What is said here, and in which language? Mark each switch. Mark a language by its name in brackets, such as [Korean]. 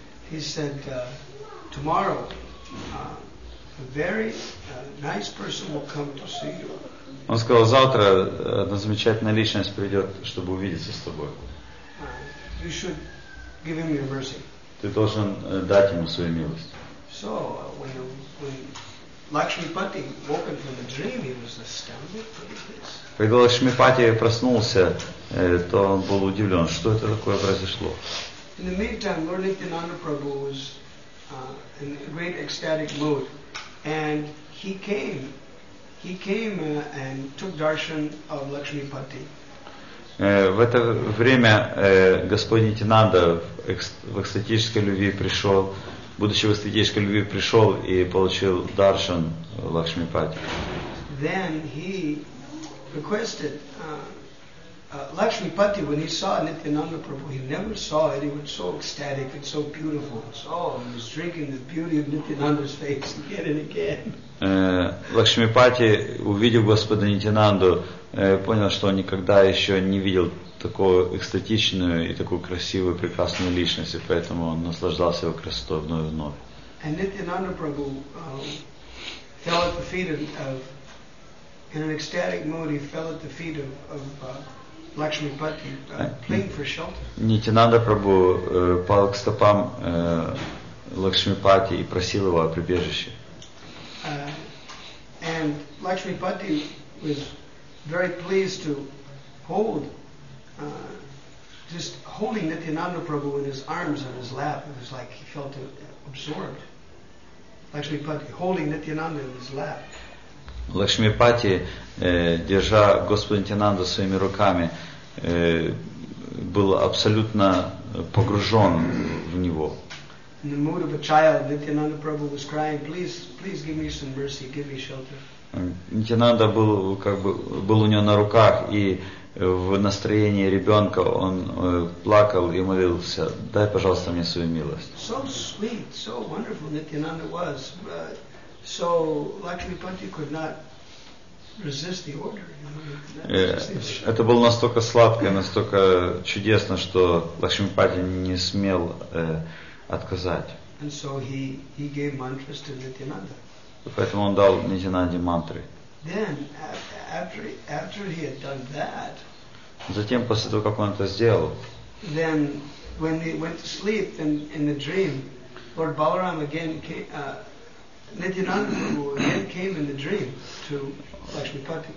[English] He said, tomorrow, a very nice person will come to see you. [Russian] Он сказал, завтра одна замечательная личность придет, чтобы увидеться с тобой. [English] You should give him your mercy. [Russian] Ты должен дать ему свою милость. [English] So when Lakshmipati woke up from the dream, he was astounded. [Russian] Когда Лакшмипати проснулся, то он был удивлен, что это такое произошло. [English] In the meantime, Lord Nityananda Prabhu was in a great ecstatic mood, and he came and took darshan of Lakshmipati. [Russian] В это время Господь Нитинанда в экстатической любви пришел. Будучи в эстетической любви, пришел и получил даршан Лакшмипати. [English] Then he requested Lakshmipati, when he saw Nityananda Prabhu, he never saw it. He was so ecstatic and so beautiful. He was drinking the beauty of Nityananda's face again and again. [Russian] Лакшмипати, увидев Господа Нитинанду, понял, что он никогда еще не видел такую экстатичную и такую красивую, прекрасную личность, и поэтому он наслаждался его красотой вновь и вновь. [English] And Nityananda Prabhu fell at the feet of, in an ecstatic mood, he fell at the feet of Lakshmipati, pleading for shelter. [Russian] Nityananda Prabhu пал к стопам Лакшмипати и просил его о прибежище. [English] And Lakshmipati was very pleased to hold Nityananda Prabhu in his arms on his lap. It was like he felt absorbed. Lakshmipati holding Nityananda in his lap. [Russian] Лакшмипати, держа Господа Нитянанду своими руками, был абсолютно погружен в него. [English] In the mood of a child, Nityananda Prabhu was crying, please give me some mercy, give me shelter. [Russian] Нитянанда был у него на руках, и в настроении ребенка он плакал и молился: «Дай, пожалуйста, мне свою милость». [English] So sweet, so wonderful Nityananda was, but so Lakshmipati could not resist the order. [Russian] Это было настолько сладко, настолько чудесно, что Лакшмипати не смел отказать. [English] And so he gave mantras to Nityananda. [Russian] Поэтому он дал Нитинанде мантры. [English] Then, after he had done that, [Russian] затем, после того, как он это сделал, [English] then, when he went to sleep in the dream, Lord Balaram again came, Nityananda again came in the dream to Lakshmipati.